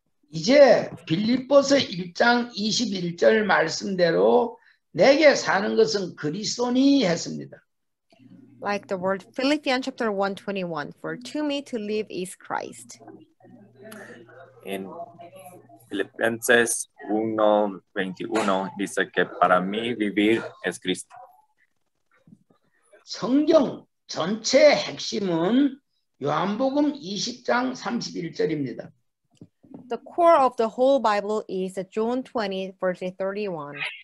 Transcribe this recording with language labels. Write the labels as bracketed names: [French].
[Korean] 이제 빌립보서 1장 21절 말씀대로 내게 사는 것은 그리스도니 했습니다. [English] Like the word Philippians chapter 1:21, for to me to live is Christ. [Spanish] In Filipenses 1:21 dice que para mí vivir es Cristo. [Korean] 성경 전체 핵심은 요한복음 20장 31절입니다. [English] The core of the whole Bible is John 20, verse 31.